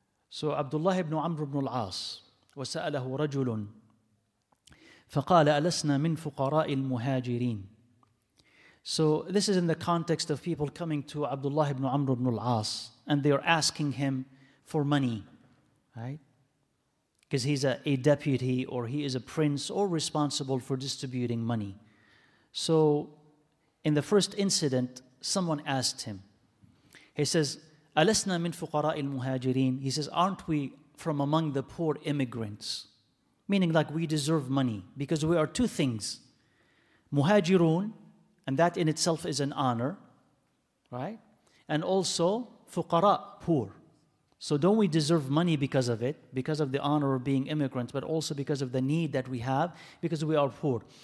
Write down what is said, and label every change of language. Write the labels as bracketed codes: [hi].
[ar] So Abdullah ibn Amr ibn al-As, وسأله رجل فقال ألسنا من فقراء المهاجرين. [en] So this is in the context of people coming to Abdullah ibn Amr ibn al-As and they are asking him for money, right? Because he's a deputy or he is a prince or responsible for distributing money. So in the first incident, someone asked him. He says, [ar] أَلَسْنَا مِنْ فُقَرَاءِ الْمُهَاجِرِينَ. [en] He says, aren't we from among the poor immigrants? Meaning like we deserve money because we are two things. مُهَاجِرُونَ, and that in itself is an honor, right? And also فُقَرَاء, poor. So don't we deserve money because of it, because of the honor of being immigrants, but also because of the need that we have, because we are poor.